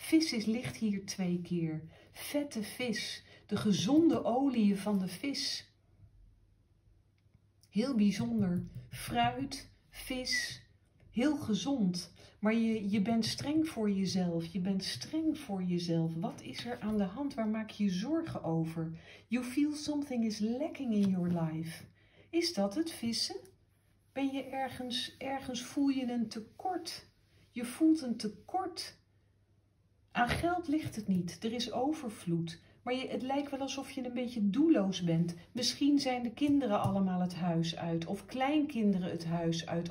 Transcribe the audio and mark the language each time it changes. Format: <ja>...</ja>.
<nl>Ligt hier twee keer. Vette vis, de gezonde oliën van de vis. Heel bijzonder. Fruit, vis, heel gezond. Maar je bent streng voor jezelf. Je bent streng voor jezelf. Wat is er aan de hand? Waar maak je zorgen over?</nl> <en>You feel something is lacking in your life.</en> <nl>Is dat het, vissen? Ben je ergens voel je een tekort? Je voelt een tekort. Aan geld ligt het niet. Er is overvloed. Maar het lijkt wel alsof je een beetje doelloos bent. Misschien zijn de kinderen allemaal het huis uit. Of kleinkinderen het huis uit.</nl>